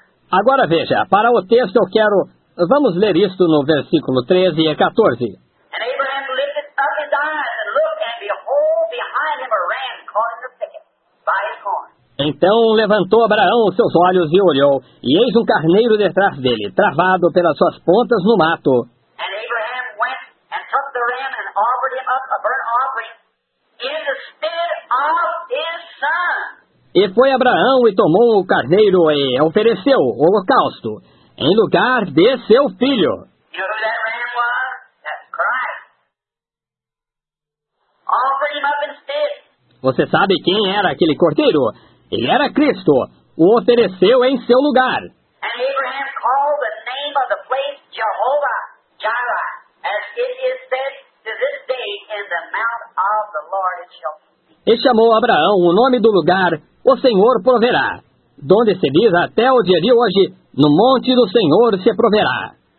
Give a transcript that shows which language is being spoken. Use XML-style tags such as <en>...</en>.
<pt>Agora veja, para o texto eu quero... Vamos ler isto no versículo 13 e 14.</pt> <en>And Abraham lifted up his eyes and looked, and behold, behind him a ram caught in a thicket by his horns.</en> <pt>Então levantou Abraão os seus olhos e olhou, e eis um carneiro detrás dele, travado pelas suas pontas no mato.</pt> <en>And Abraham went and took the ram and offered him up a burnt offering in the stead of his son.</en> <pt>E foi Abraão e tomou o carneiro e ofereceu o holocausto em lugar de seu filho.</pt> <en>You know who that ram was? That's Christ. Offered him up instead.</en> <pt>Você sabe quem era aquele cordeiro? Ele era Cristo. O ofereceu em seu lugar.</pt> <en>And Abraham called the name of the place Jehovah Jireh, as it is said to this day in the mount of the Lord it shall be.</en> <pt>E chamou Abraão o nome do lugar, o Senhor proverá, donde se diz até o dia de hoje, no monte do Senhor se proverá.</pt>